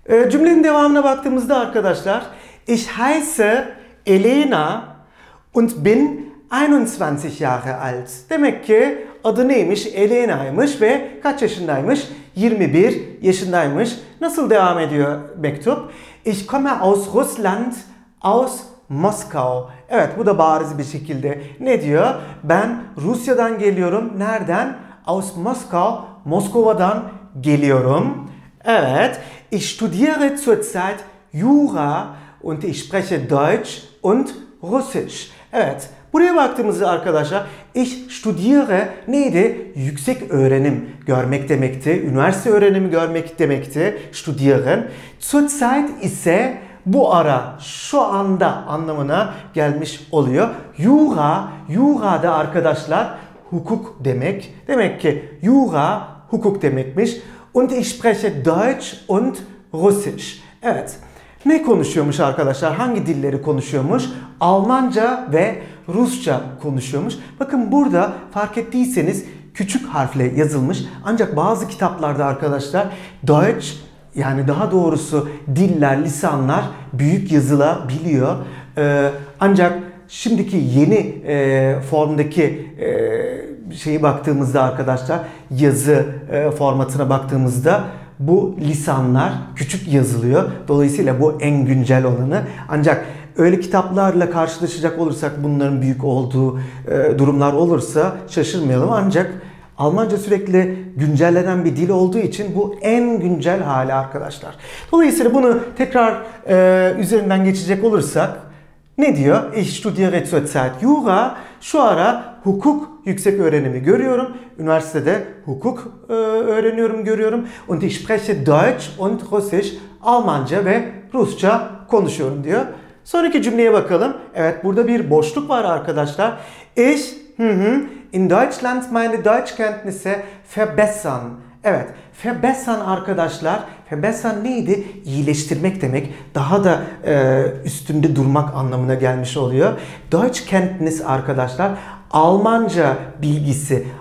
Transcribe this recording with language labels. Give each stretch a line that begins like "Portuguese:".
Turkish: Cümlenin devamına baktığımızda arkadaşlar
German: Ich heiße Elena und bin 21 Jahre alt.
Turkish: Demek ki adı neymiş? Elena'ymış ve kaç yaşındaymış? 21 yaşındaymış. Nasıl devam ediyor mektup?
German: Ich komme aus Russland, aus Moskau.
Turkish: Evet, bu da bariz bir şekilde. Ne diyor? Ben Rusya'dan geliyorum. Nereden?
German: Aus Moskau,
Turkish: Moskova'dan geliyorum. Evet.
German: Ich studiere zurzeit Jura und ich spreche Deutsch und Russisch.
Turkish: Evet. Buraya baktığımızda arkadaşlar
German: ich studiere
Turkish: neydi? Yüksek öğrenim görmek demekti. Üniversite öğrenimi görmek demekti. Studieren. Zurzeit ise bu ara, şu anda anlamına gelmiş oluyor. Jura, Jura da arkadaşlar hukuk demek. Demek ki Jura hukuk demekmiş.
German: Und ich spreche Deutsch und Russisch.
Turkish: Evet. Ne konuşuyormuş arkadaşlar? Hangi dilleri konuşuyormuş? Almanca ve Rusça konuşuyormuş. Bakın burada fark ettiyseniz küçük harfle yazılmış. Ancak bazı kitaplarda arkadaşlar Deutsch, yani daha doğrusu diller, lisanlar büyük yazılabiliyor. Ancak şimdiki yeni formdaki şeyi baktığımızda arkadaşlar, yazı formatına baktığımızda bu lisanlar küçük yazılıyor. Dolayısıyla bu en güncel olanı. Ancak öyle kitaplarla karşılaşacak olursak, bunların büyük olduğu durumlar olursa şaşırmayalım. Ancak Almanca sürekli güncellenen bir dil olduğu için bu en güncel hali arkadaşlar. Dolayısıyla bunu tekrar üzerinden geçecek olursak ne diyor?
German: Ich studiere zurzeit Jura.
Turkish: Şu ara hukuk yüksek öğrenimi görüyorum. Üniversitede hukuk öğreniyorum, görüyorum.
German: Und ich spreche Deutsch und Russisch.
Turkish: Almanca ve Rusça konuşuyorum diyor. Sonraki cümleye bakalım. Evet, burada bir boşluk var arkadaşlar.
German: Ich in Deutschland meine Deutschkenntnisse verbessern.
Turkish: Evet, verbessern arkadaşlar. Verbessern neydi? İyileştirmek demek. Daha da üstünde durmak anlamına gelmiş oluyor. Deutschkenntnis arkadaşlar, Almanca bilgisi.